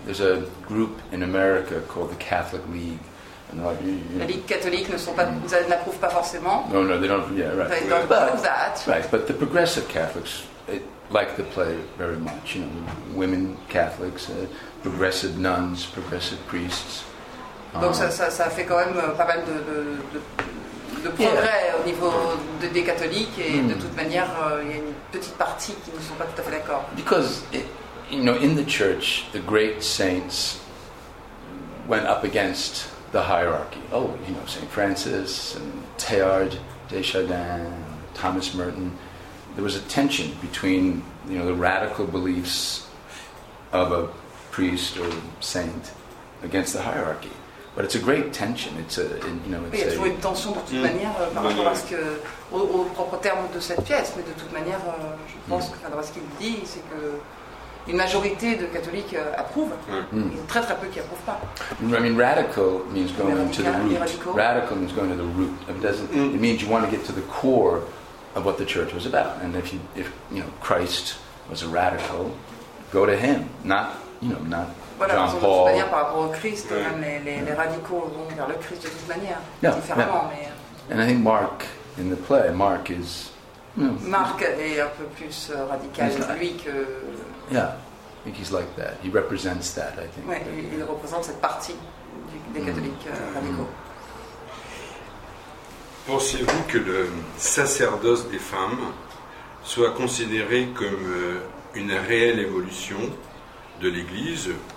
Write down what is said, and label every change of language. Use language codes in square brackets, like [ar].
[en] There's a group in America called the Catholic League. And like, [fr] la Ligue catholique n'approuve pas forcément. [en] No, they don't. Yeah, right. They don't approve that. Right, but the progressive Catholics like the play very much. You know, women Catholics, progressive nuns, progressive priests. [fr] Donc ça fait quand même pas mal de progrès au niveau des catholiques et de toute manière il y a une petite partie qui ne sont pas tout à fait d'accord. [en] Because you know, in the church, the great saints went up against the hierarchy. Oh, you know, Saint Francis and Teilhard de Chardin, Thomas Merton. There was a tension between, you know, the radical beliefs of a priest or saint against the hierarchy. But it's a great tension. [fr] Il y a toujours une tension de toute manière par rapport à ce que au propre terme de cette pièce. Mais de toute manière, je pense que ce qu'il dit, c'est que une majorité de catholiques approuvent. Mm. Très très peu qui approuvent pas. [en] I mean, radical means going to the root. Radical means going to the root. It means you want to get to the core of what the church was about. And if Christ was a radical, go to him, not. [fr] Voilà, [en] John [fr] de toute [en] Paul. [fr] Manière par rapport au Christ, les radicaux vont vers le Christ de toute manière, différemment. [en] Yeah. [fr] Mais... [en] And I think Mark in the play, Mark is. [fr] Mark est un peu plus radical, lui que. [en] Yeah, I think he's like that. He represents that, I think. [fr] Ouais, il représente cette partie des catholiques radicaux. Pensez-vous que le sacerdoce des femmes soit considéré comme une réelle évolution de l'Église?